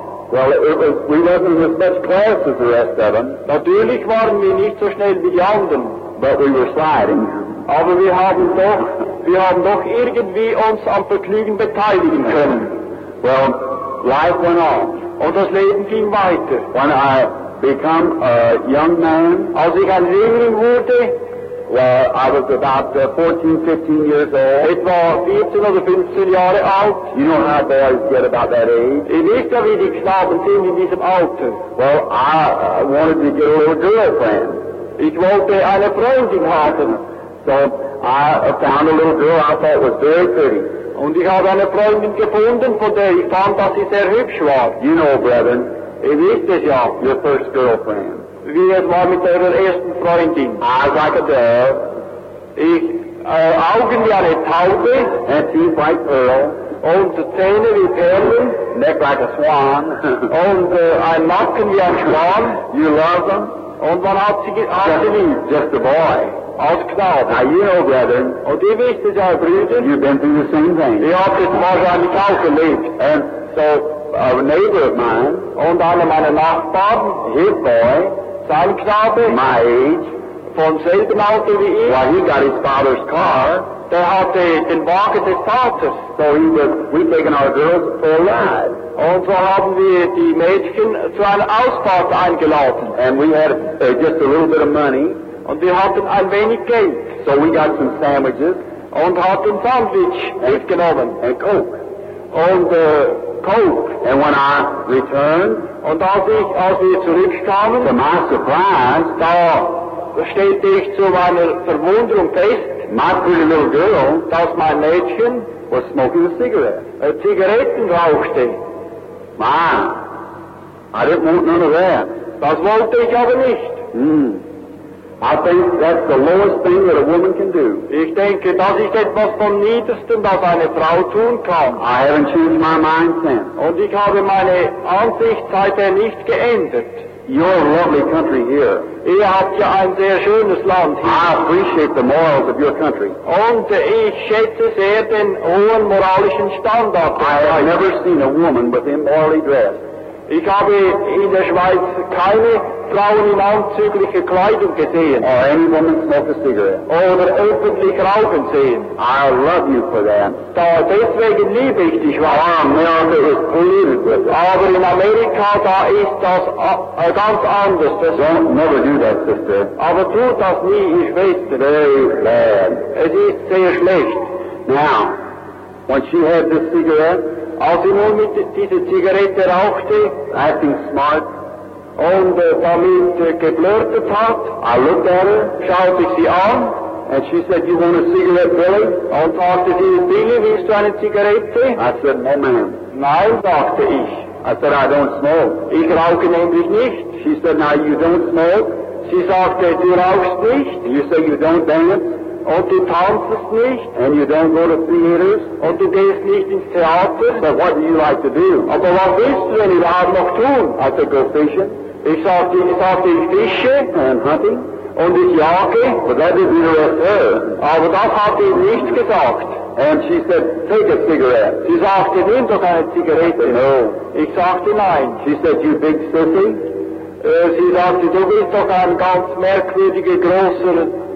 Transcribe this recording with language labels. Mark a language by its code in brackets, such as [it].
[en] Well, we wasn't as much class as the rest of them. [de] Natürlich waren wir nicht so schnell wie die anderen. [en] But we were sliding. [de] Aber wir haben doch irgendwie uns am Vergnügen beteiligen können. [en] Well, life went on. [de] Und das Leben ging weiter. [en] When I became a young man, [de] als ich ein Jüngling wurde, [en] well, I was about 14, 15 years old. [de] Etwa 14 oder 15 Jahre alt. [en] You know how boys get about that age. [de] Ihr wisst ja, wie die Knaben sind in diesem Alter. [en] Well, I wanted to get a little girlfriend. [de] Ich wollte eine Freundin haben. [en] So I found a little girl I thought was very pretty. [de] Und ich habe eine Freundin gefunden, von der ich fand, dass sie sehr hübsch war. [en] You know, brethren. [de] Ihr wisst es ja. [en] Your first girlfriend. [de] Wie es war mit eurer ersten Freundin. [en] I was like a dove. [de] Ich, Augen wie eine Taube. [en] And teeth like pearl. [de] Und Zähne wie Perlen. [en] Neck like a swan. [de] Und ein Nacken wie ein Schwan. [en] You love them. [de] Und man hat sie geliebt. [en] Just a boy. [de] Als Knaben. [en] Now you know, brethren. [de] Und ihr wisst es ja, Brüder. [en] You've been through the same thing. [de] Ihr habt es wahrscheinlich auch erlebt. [en] And so, a neighbor of mine. [de] Und einer meiner Nachbarn. [en] His boy. [de] Sein Knabe, [en] my age, [de] vom selben Alter wie ich. [en] Well, he got his father's car. [de] Der hatte den Wagen des Vaters. [en] So we've taken our girls for a ride. [de] Und so haben wir die Mädchen zu einer Ausfahrt eingeladen. [en] And we had just a little bit of money. [de] Und wir hatten ein wenig Geld. [en] So we got some sandwiches. [de] Und hatten Sandwich mitgenommen. [en] And Coke. [de] Und Coke. [en] And when I returned, [de] und als wir zurückkamen, [en] to my surprise, [de] da stellte ich zu meiner Verwunderung fest, [en] my pretty little girl, [de] dass mein Mädchen [en] was smoking a cigarette. [de] A Zigaretten rauchte. [en] My, I didn't want none of that. [de] Das wollte ich aber nicht. [en] I think that's the lowest thing that a woman can do. [de] Ich denke, das ist etwas vom Niedersten, das eine Frau tun kann. [en] I haven't changed my mind since. [de] Und ich habe meine Ansicht seitdem nicht geändert. [en] You're a lovely country here. [de] Ihr habt ja ein sehr schönes Land hier. [en] I appreciate the morals of your country. [de] Und ich schätze sehr den hohen moralischen Standard. [en] I have never seen a woman with immorally dressed. [de] Ich habe in der Schweiz keine Frauen in anzüglicher Kleidung gesehen. [en] Or any woman smoke a cigarette. [de] Oder öffentlich rauchen sehen. [en] I love you for that. [de] Da deswegen liebe ich die Schweiz. [en] America is polluted with it. [de] Aber in Amerika, da ist das ganz anders. Das [en] don't never do that, sister. [de] Aber tut das nie, ich Schwester. [en] Very bad. [de] Es ist sehr schlecht. [en] Now, when she had this cigarette, [de] als sie nur mit dieser Zigarette rauchte, [en] acting smart, [de] und damit geblurtet hat, [en] I looked at her, [de] schaute ich sie an, [en] and she said, you want a cigarette, Billy? [de] Und sagte sie, Billy, willst du eine Zigarette? [en] I said, no, ma'am. [de] Nein, sagte ich. [en] I said, I don't smoke. [de] Ich rauche nämlich nicht. [en] She said, now you don't smoke. [de] Sie sagte, du rauchst nicht. [en] You say you don't dance. [de] Und du tanzest nicht. [en] And you don't go to theaters. [de] Und du gehst nicht ins Theater. [en] But what do you like to do? [de] Aber was willst du denn überhaupt noch tun? [en] I said, go fishing. [de] Ich sagte, ich fische. [en] And hunting. [de] Und ich jage. [en] But that didn't interest her. [de] Aber das hat sie nicht gesagt. [en] And she said, take a cigarette. [de] Sie sagte, nimm doch eine Zigarette. [en] No. [de] Ich sagte, nein. [en] She said, you big sissy. [de] Sie sagte, du bist doch ein ganz merkwürdiger, großer.